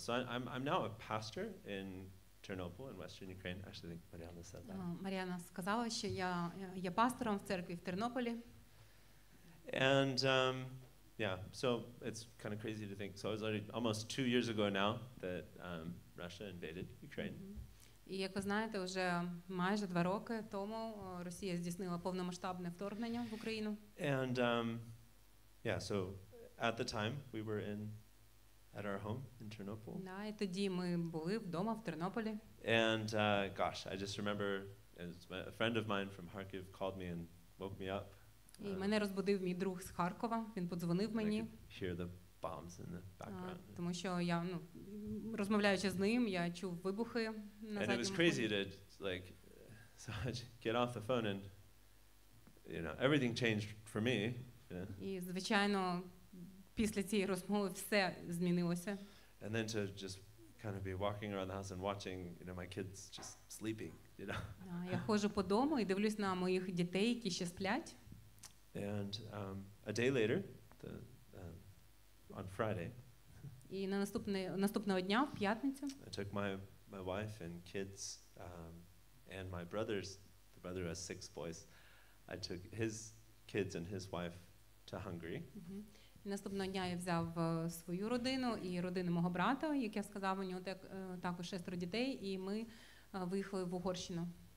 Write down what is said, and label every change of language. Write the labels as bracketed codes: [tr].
[en] So I'm now a pastor in Chernobyl in Western Ukraine. Actually, I think Mariana said that. [uk] Mariana сказала, що я є пастором в церкві в Тернополі. [en] And so it's kind of crazy to think. So it was already almost 2 years ago now that Russia invaded Ukraine. [uk] І як ви знаєте, вже майже 2 роки тому Росія здійснила повномасштабне вторгнення в Україну. [en] And so at the time we were in at our home in Chernobyl. [uk] Да, і тоді ми були вдома в Тернополі. [en] And I just remember a friend of mine from Kharkiv called me and woke me up. [uk] І мене розбудив мій друг з Харкова, він подзвонив мені. [en] Hear the bombs in the background. [uk] Тому що я, ну, розмовляючи з ним, я чув вибухи на задньому. [en] It was crazy to like so get off the phone and you know, everything changed for me. [uk] І звичайно, після цієї розмови все змінилося. [en] And then to just kind of be walking around the house and watching, you know, my kids just sleeping, you know. [uk] Я ходжу по дому і дивлюсь на моїх дітей, які ще сплять. [en] And a day later, on Friday. [uk] І на наступного дня, в п'ятницю. [en] I took my wife and kids and my brothers, the brother has 6 boys. I took his kids and his wife to Hungary. [uk] Наступного дня я взяв свою родину і родину мого брата, як я сказав, у нього також 6 дітей, і ми виїхали в Угорщину.